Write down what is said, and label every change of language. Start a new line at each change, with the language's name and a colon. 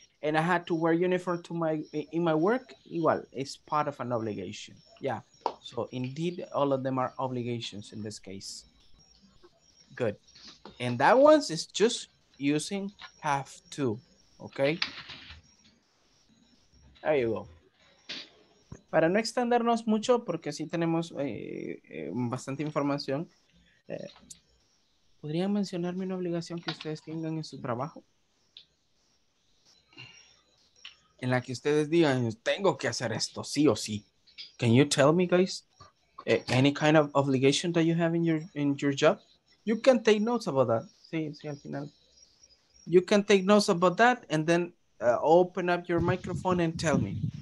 English: And I had to wear uniform in my work. Igual, it's part of an obligation. Yeah. So indeed, all of them are obligations in this case. Good. And that one is just using have to. Okay. There you go.
Spanish: Para no extendernos mucho, porque sí tenemos bastante información. ¿Podrían mencionarme una obligación que ustedes tengan en su trabajo? En la que ustedes digan, tengo que hacer esto, sí o sí.
English: Can you tell me, guys, any kind of obligation that you have in your job? You can take notes about that.
Spanish: Sí, al final.
English: You can take notes about that and then open up your microphone and tell me.